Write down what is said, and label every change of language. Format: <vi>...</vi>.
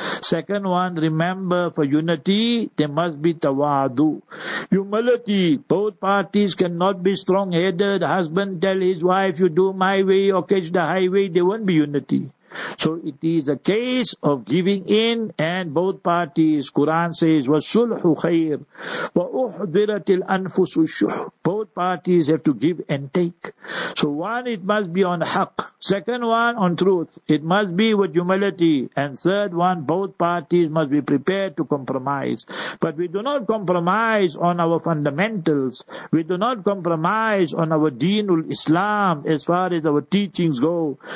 <en>Second one, remember, for unity, there must be tawadu. Humility. Both parties cannot be strong-headed. Husband tell his wife, you do my way or catch the highway. There won't be unity. So it is a case of giving in, and both parties. Quran says,</en> <ar>وَسُلْحُ خَيْرٌ وَأُحْذِرَتِ الْأَنفُسُ الشُّحُ.</ar> <en>Both parties have to give and take. So one, it must be on haq. Second one, on truth. It must be with humility. And third one, both parties must be prepared to compromise. But we do not compromise on our fundamentals. We do not compromise on our deenul Islam as far as our teachings go.</en>